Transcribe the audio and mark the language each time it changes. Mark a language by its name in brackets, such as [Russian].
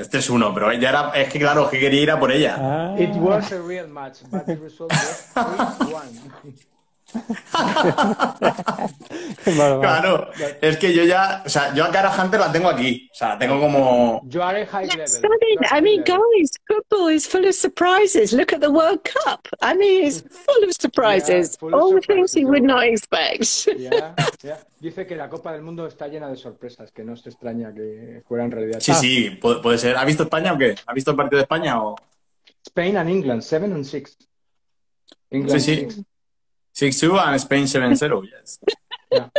[Spanish] Este es uno, pero ya era, es que claro, que quería ir a por ella. Ah. [English] It was a real match, but the result was 3-1. [Spanish] Claro, es que yo ya, o sea, yo a Cara Hunter la tengo aquí, o sea, tengo como. [English] You are a high level. I mean, guys, football is full of surprises. Look at the World Cup. I mean, it's full of surprises. Yeah, full of all the things you would not expect. Yeah. [Spanish] Dice que la Copa del Mundo está llena de sorpresas, que no se extraña que fuera en realidad. Sí, puede ser. ¿Ha visto España o qué? ¿Ha visto el partido de España o? [English] Spain and England, 7-6. England, sí. 6-2 and Spain 7-0, yes. Yeah.